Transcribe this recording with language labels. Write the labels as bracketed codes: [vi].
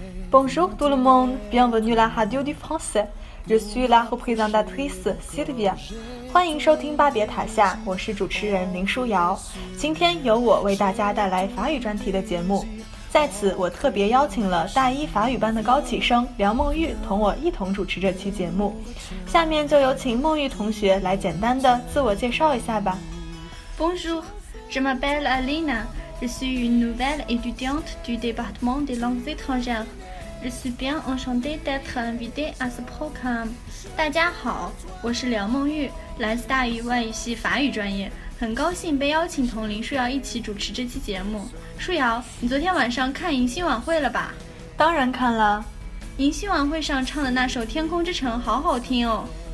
[fr] Bonjour tout le monde, bienvenue à la radio du français. Je suis la représentatrice Sylvia. [zh] 欢迎收听巴别塔下，我是主持人林舒瑶。今天由我为大家带来法语专题的节目。在此我特别邀请了大一法语班的高启生梁梦玉同我一同主持这期节目。下面就有请梦玉同学来简单的自我介绍一下吧。 [fr] Bonjour, je m'appelle Alina, je suis une nouvelle étudiante du département des langues étrangères. Je suis bien enchantée d'être invitée à ce programme. [zh] 大家好，我是梁梦玉，来自大一外语系法语专业，很高兴被邀请同林舒瑶一起主持这期节目。舒瑶，你昨天晚上看迎新晚会了吧？当然看了。迎新晚会上唱的那首《天空之城》好好听哦。